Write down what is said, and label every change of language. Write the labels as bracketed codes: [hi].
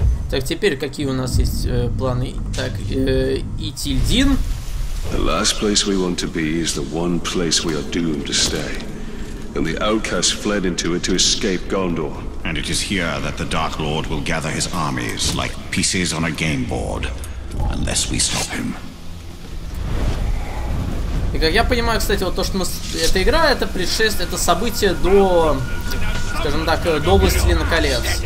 [ru] Так, теперь какие у нас есть планы? Так, Итильдин. [en] The last place we want to be is the one place we are doomed to stay. And the outcast fled into it to escape Gondor. And it is here that the Dark Lord will gather his armies like pieces on a game board, unless we stop him. [ru] И как я понимаю, кстати, вот то, что мы... Эта игра, это предшествие, это событие до, скажем так, до Властелина колец.